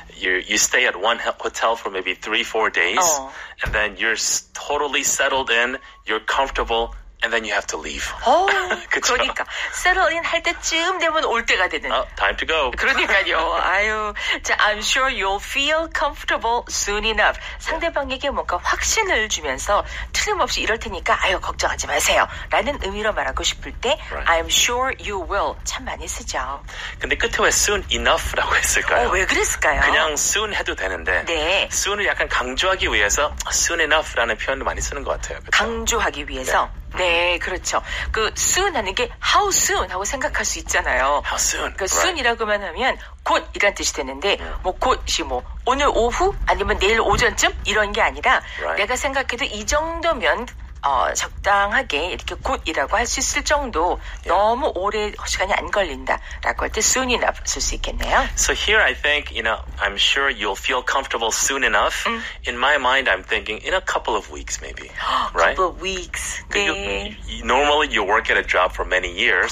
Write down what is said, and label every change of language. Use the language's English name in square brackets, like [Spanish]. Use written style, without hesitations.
[English] You stay at one hotel for maybe 3-4 days, and then you're totally settled in, you're comfortable, and then you have to leave. [Korean] 그러니까 settle in 할 때쯤 되면 올 때가 되는. [English] Time to go. [Korean] 그러니까요. [English] 아유, 자, I'm sure you'll feel comfortable soon enough. [Korean] 상대방에게 뭔가 확신을 주면서 틀림없이 이럴 테니까 아유 걱정하지 마세요. 라는 의미로 말하고 싶을 때 [English] right. I'm sure you will [Korean] 참 많이 쓰죠. 근데 끝에 왜 soon enough라고 했을까요? 왜 그랬을까요? 그냥 soon 해도 되는데 네. soon을 약간 강조하기 위해서 soon enough라는 표현도 많이 쓰는 것 같아요. 그쵸? 강조하기 위해서. 네. 네, 그렇죠. 그 soon 하는 게 how soon 하고 생각할 수 있잖아요. [English] How soon? [Korean] 그 soon이라고만 하면 곧 이란 뜻이 되는데 뭐 곧이 뭐 오늘 오후 아니면 내일 오전쯤 이런 게 아니라 [English] right. [Korean] 내가 생각해도 이 정도면 적당하게 이렇게 곧이라고 할 수 있을 정도 너무 오래 시간이 안 걸린다라고 할 때 soon enough 쓸 수 있겠네요. [English] So here I think, you know, I'm sure you'll feel comfortable soon enough. In my mind, I'm thinking in a couple of weeks maybe. Right? Couple of weeks. 네. Normally you work at a job for many years.